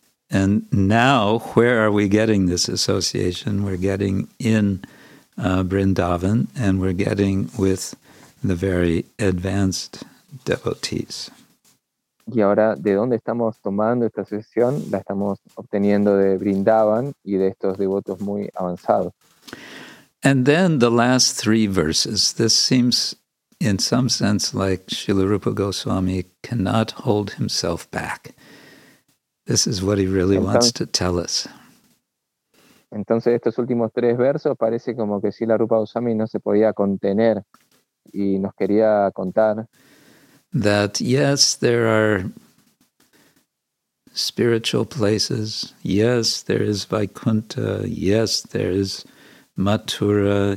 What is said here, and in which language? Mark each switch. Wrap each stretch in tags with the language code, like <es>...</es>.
<en>And now, where are we getting this association? We're getting in Vrindavan, and we're getting with the very advanced devotees.</en> <es>Y ahora, ¿de dónde estamos tomando esta sesión? La estamos obteniendo de Vrindavan y de estos devotos muy avanzados.</es> <en>And then the last three verses. This seems, in some sense, like Srila Rupa Goswami cannot hold himself back. This is what he really wants to tell us.</en> <es>Entonces, estos últimos tres versos parece como que Srila Rupa Goswami no se podía contener y nos quería contar.</es> <en>That yes, there are spiritual places. Yes, there is Vaikuntha. Yes, there is Mathura.</en>